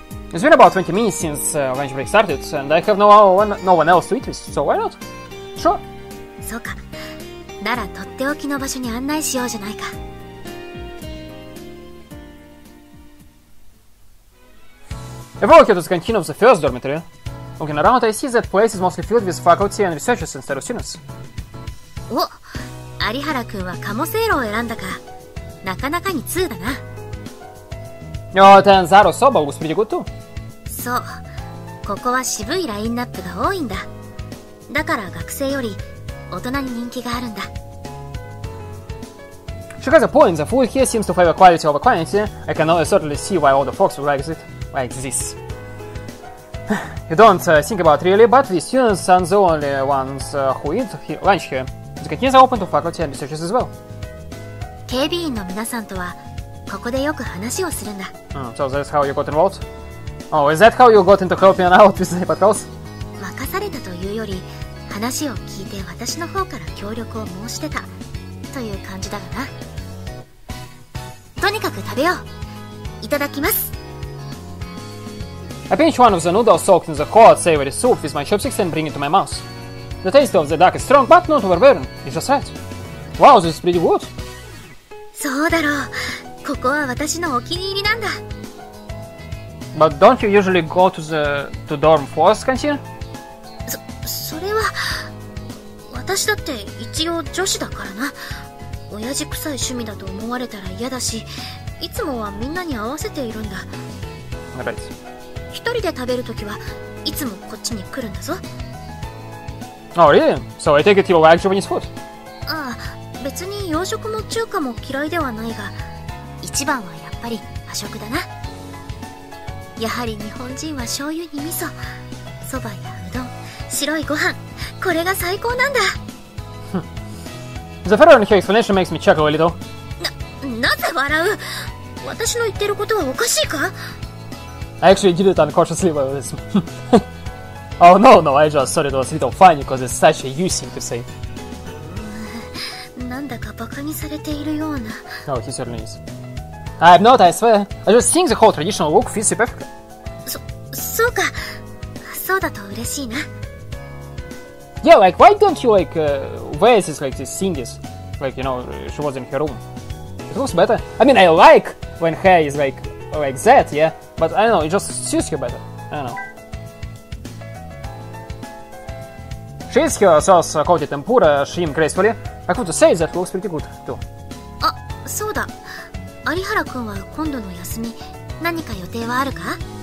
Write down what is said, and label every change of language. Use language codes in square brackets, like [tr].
[en] It's been about 20 minutes since lunch break started, and I have no one else to eat with, so why not? Sure. [ja] そうか。ならとっておきの場所に案内しようじゃないか。 [en] If I look at the canteen of the first dormitory, looking around, I see that place is mostly filled with faculty and researchers instead of students. [ja] お、有原くんは鴨せいろを選んだか。なかなかに通だな。 [en] Oh, then Zaro Soba looks pretty good too. [ja] そう、ここは渋いラインナップが多いんだ。だから学生より大人に人気があるんだ。 [en] She has a point. The food here seems to favor quality over quantity. I can certainly see why all the folks would like it like this. You don't think about it really, but the students aren't the only ones who eat lunch here. The canteens are open to faculty and researchers as well. [ja] 警備員の皆さんとはここでよく話をするんだ。 [en] So that's how you got involved? Oh, is that how you got into helping out with the patrols? [ja] 任されたというより話を聞いて私の方から協力を申し出たという感じだろうな。とにかく食べよう。いただきます。 [en] I pinch one of the noodles soaked in the hot savory soup with my chopsticks and bring it to my mouth. The taste of the duck is strong but not overbearing. It's just right. Wow, this is pretty good. [ja] そうだろう。ここは私のお気に入りなんだ。 [en] But don't you usually go to the to dorm first, canteen? [ja] それは私だって一応女子だからな。親父臭い趣味だと思われたら嫌だし、いつもはみんなに合わせているんだ。 [en] Right. [ja] 一人で食べるときはいつもこっちに来るんだぞ。 [en] Oh, really? So I take it you like Japanese food? [ja] ああ、別に洋食も中華も嫌いではないが、一番はやっぱり和食だな。やはり日本人は醤油に味噌、そばやうどん、白いご飯、これが最高なんだ。 [en] The fellow in her explanation makes me chuckle a little. [ja] なぜ笑う? 私の言ってることはおかしいか? [en] I actually did it unconsciously about this. Oh no, I just thought it was a little funny because it's such a you thing to say. [ja] なんだかバカにされているような。 [en] No, he certainly is. I have not, I swear. I just think the whole traditional look fits you perfectly. [ja] そうか。そうだと嬉しいな。 [en] Yeah, like, why don't you, like, wear this, like, this thing is, like, you know, she was in her room. It looks better. I mean, I like when hair is, like that, yeah? But, I don't know, it just suits her better. I don't know. She eats her sauce-coated tempura shrimp gracefully. I could say that looks pretty good, too. [ja] そうだ。有原くんは今度の休み何か予定はあるか